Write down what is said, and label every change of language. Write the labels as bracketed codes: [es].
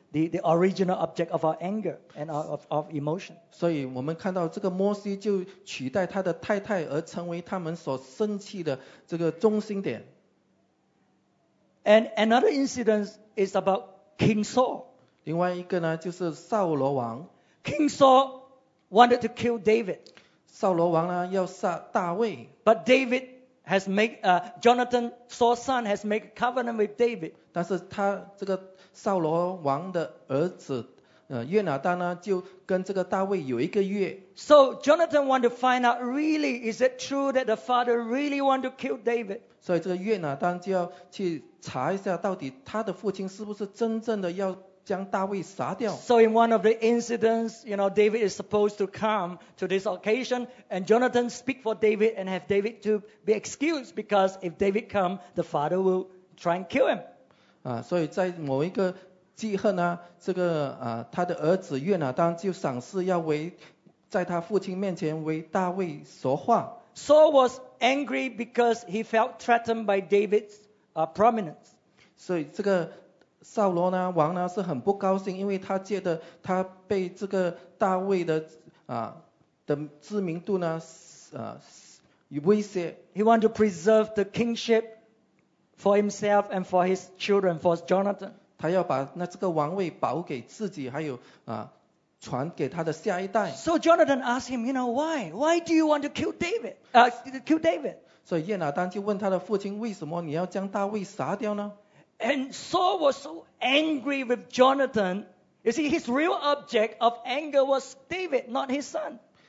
[en] The original object of our anger and of emotion. [zh] 所以我们看到这个摩西就取代他的太太而成为他们所生气的这个中心点。 [en] And another incident is about King Saul. [zh] 另外一个呢就是扫罗王。 [en] King Saul wanted to kill David. [zh] 扫罗王呢要杀大卫。 [en] But David has made, Jonathan, Saul's son has made a covenant with David. [zh] 但是他这个扫罗王的儿子约拿单呢就跟这个大卫有一个约。 [en] So Jonathan want to find out really is it true that the father really want to kill David? [zh] 所以这个约拿单就要去查一下到底他的父亲是不是真正的要将大卫杀掉。 [en] So in one of the incidents, you know, David is supposed to come to this occasion and Jonathan speak for David and have David to be excused because if David come, the father will try and kill him. [zh] 所以在某一个记恨呢，这个他的儿子约拿单就赏赐要为在他父亲面前为大卫说话。 [en] Saul was angry because he felt threatened by David's prominence. [zh] 所以这个扫罗呢王呢是很不高兴，因为他觉得他被这个大卫的的知名度呢威胁。 [en] He wanted to preserve the kingship. For himself and for his children, for Jonathan. [zh] 他要把那这个王位保给自己，还有传给他的下一代。 [en] So Jonathan asked him, you know, why? Why do you want to kill David? Kill David? [zh] 所以约拿单就问他的父亲，为什么你要将大卫杀掉呢？ [en] And Saul was so angry with Jonathan. You see, his real object of anger was David, not his son.